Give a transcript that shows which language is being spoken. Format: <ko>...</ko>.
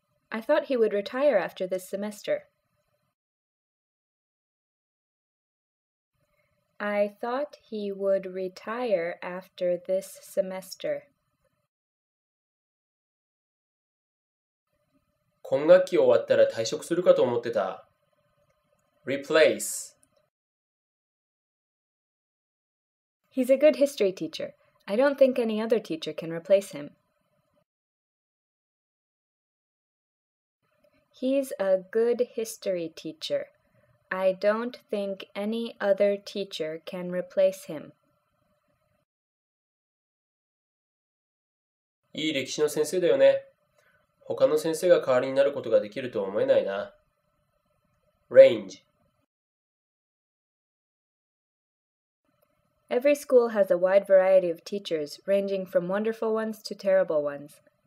<en>I thought he would retire after this semester. I thought he would retire after this semester.</en> <ja>今学期終わったら退職するかと思ってた。</ja> <en>Replace. He's a good history teacher. I don't think any other teacher can replace him. He's a good history teacher. I don't think any other teacher can replace him.</en> <ja>いい歴史の先生だよね。他の先生が代わりになることができるとは思えないな。</ja> <en>Range. Every school has a wide variety of teachers, ranging from wonderful ones to terrible ones.</en>